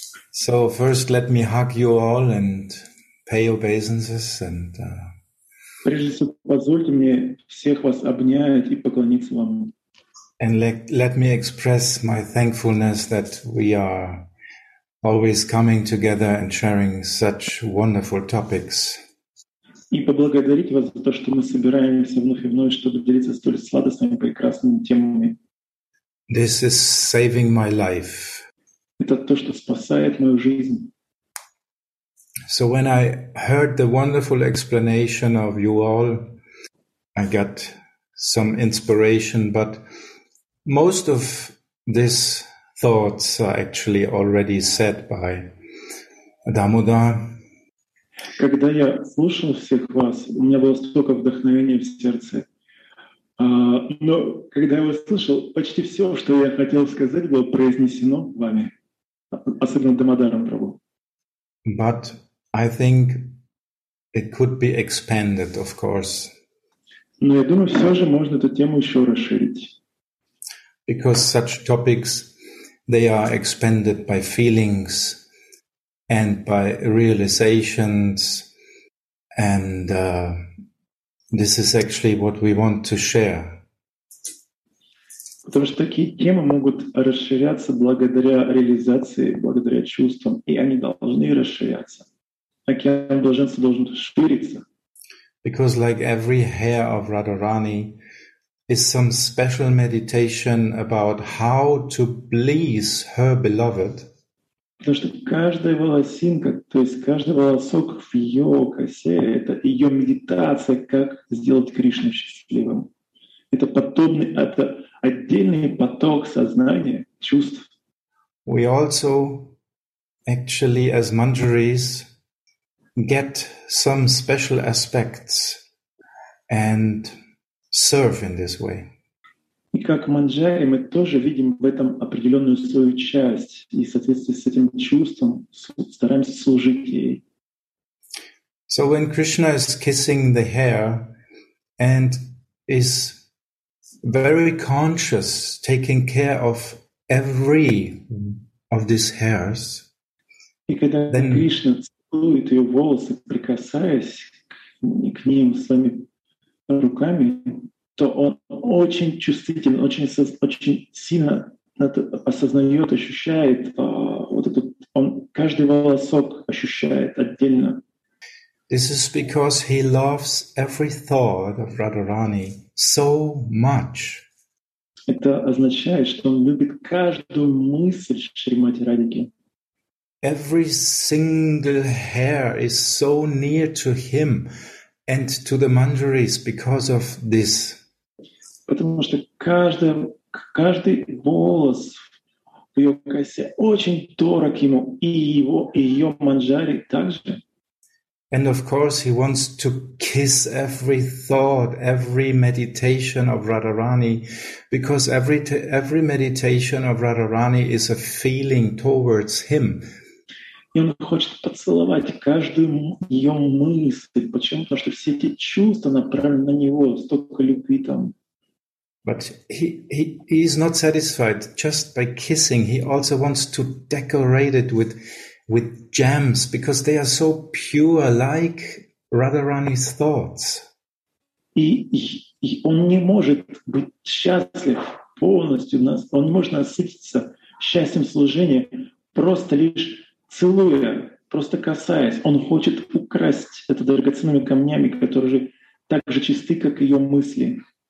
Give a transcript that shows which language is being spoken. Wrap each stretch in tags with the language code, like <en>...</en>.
<en>So first let me hug you all and pay obeisances and...</en> <ru>Прежде всего, позвольте мне всех вас обнять и поклониться вам.</ru> <en>And let me express my thankfulness that we are always coming together and sharing such wonderful topics.</en> <ru>И поблагодарить вас за то, что мы собираемся вновь и вновь, чтобы делиться столь сладостными и прекрасными темами.</ru> <en>This is saving my life.</en> <ru>Это то, что спасает мою жизнь.</ru> <en>So when I heard the wonderful explanation of you all, I got some inspiration, but most of these thoughts are actually already said by Damodar.</en> <ru>Когда я слушал всех вас, у меня было столько вдохновения в сердце. Но когда я вас слышал, почти все, что я хотел сказать, было произнесено вами, особенно Дамодаром Прабху.</ru> <en>But I think it could be expanded, of course.</en> <ru>Но я думаю, все же можно эту тему еще расширить.</ru> <en>Because such topics, they are expanded by feelings and by realizations, and this is actually what we want to share.</en> <ru>Потому что такие темы могут расширяться благодаря реализации, благодаря чувствам, и они должны расширяться. Океан блаженства должен шириться.</ru> <en>Because like every hair of Radharani is some special meditation about how to please her beloved.</en> <ru>Потому что каждая волосинка, то есть каждый волосок в ее косе, это ее медитация, как сделать Кришну счастливым. Это подобный, это отдельный поток сознания, чувств.</ru> <en>We also actually as Manjaris get some special aspects and serve in this way.</en> <ru>И как манджари мы тоже видим в этом определенную свою часть и в соответствии с этим чувством стараемся служить ей.</ru> <en>So when Krishna is kissing the hair and is very conscious taking care of every of these hairs,</en> <ru>и когда</ru> <en>then</en> <ru>Кришна целует ее волосы, прикасаясь к ним своими руками, то он очень чувствителен, очень сильно осознает, ощущает вот этот, он каждый волосок ощущает отдельно.</ru> <en>This is because he loves every thought of Radharani so much.</en> <ru>Это означает, что он любит каждую мысль Шримати Радхики.</ru> <en>Every single hair is so near to him and to the Manjaris because of this.</en> <ru>Потому что каждый волос в ее косе очень дорог ему, и его, и ее манджари также.</ru> <en>And of course he wants to kiss every thought, every meditation of Radharani, because every meditation of Radharani is a feeling towards him.</en> <ru>И он хочет поцеловать каждую ее мысль. Почему? Потому что все эти чувства направлены на него, столько любви там.</ru> <en>But he is not satisfied just by kissing. He also wants to decorate it with gems because they are so pure, like Radharani's thoughts.</en> <ru>И он не может быть счастлив полностью, он не может насытиться счастьем служения, просто лишь целуя, просто касаясь. Он хочет украсть это драгоценными камнями, которые же так же чисты, как ее мысли.</ru>